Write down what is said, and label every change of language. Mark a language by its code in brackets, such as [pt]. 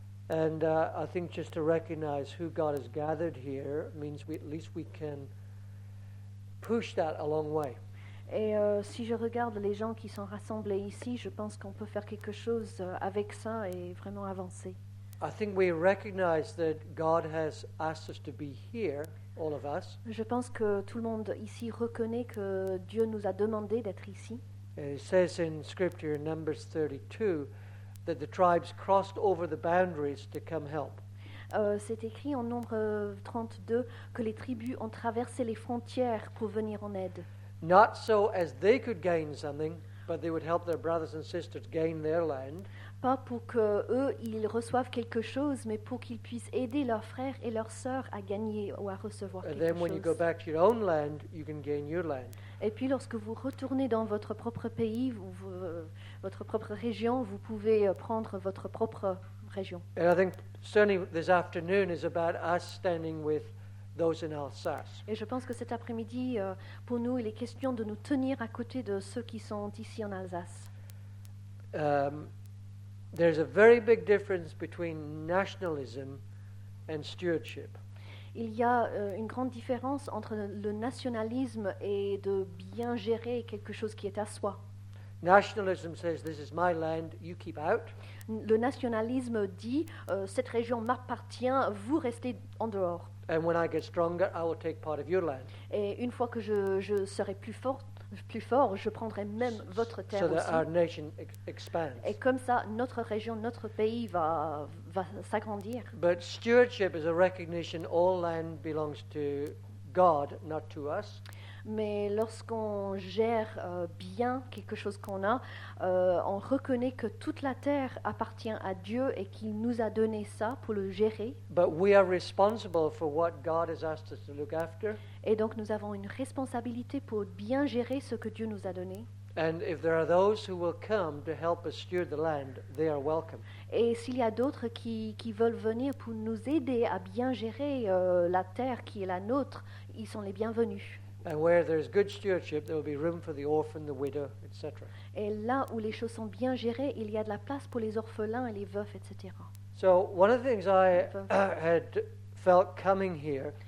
[en] And I think just to recognize who God has gathered here means we, at least we can push that a long way. [fr] Et si je regarde les gens qui sont rassemblés ici, je pense qu'on peut faire quelque chose avec ça et vraiment avancer. [en] I think we recognize that God has asked us to be here, all of us. [fr] Je pense que tout le monde ici reconnaît que Dieu nous a demandé d'être ici. [en] And it says in Scripture, in Numbers 32, that the tribes crossed over the boundaries to come help. [fr] C'est écrit en Nombre 32 que les tribus ont traversé les frontières pour venir en aide. [en] Not so as they could gain something, but they would help their brothers and sisters gain their land. [fr] Pas pour que eux ils reçoivent quelque chose, mais pour qu'ils puissent aider leurs frères et leurs sœurs à gagner ou à recevoir quelque chose. [en] And then when you go back to your own land, you can gain your land. [fr] Et puis lorsque vous retournez dans votre propre pays, votre propre région, vous pouvez prendre votre propre région. [en] And I think certainly this afternoon is about us standing with those in Alsace. [fr] Et je pense que cet après-midi, pour nous, il est question de nous tenir à côté de ceux qui sont ici en Alsace. [en] There's a very big difference between nationalism and stewardship. [fr] Il y a une grande différence entre le nationalisme et de bien gérer quelque chose qui est à soi. [en] Nationalism says, "This is my land, you keep out." [fr] Le nationalisme dit, cette région m'appartient, vous restez en dehors. [en] And when I get stronger, I will take part of your land. [fr] Et une fois que je serai plus fort, je prendrai même votre terre aussi. [en] So that our nation expands. [fr] Et comme ça, notre région, notre pays va s'agrandir. [en] But stewardship is a recognition all land belongs to God, not to us. [fr] Mais lorsqu'on gère bien quelque chose qu'on a, on reconnaît que toute la terre appartient à Dieu et qu'il nous a donné ça pour le gérer. [en] But we are responsible for what God has asked us to look after. [fr] Et donc nous avons une responsabilité pour bien gérer ce que Dieu nous a donné. [en] And if there are those who will come to help us steward the land, they are welcome. [fr] Et s'il y a d'autres qui veulent venir pour nous aider à bien gérer la terre qui est la nôtre, ils sont les bienvenus. [en] And where there is good stewardship, there will be room for the orphan, the widow, etc. [fr] Et là où les choses sont bien gérées, il y a de la place pour les orphelins et les veufs, etc. [en] So one of the things I had felt coming here.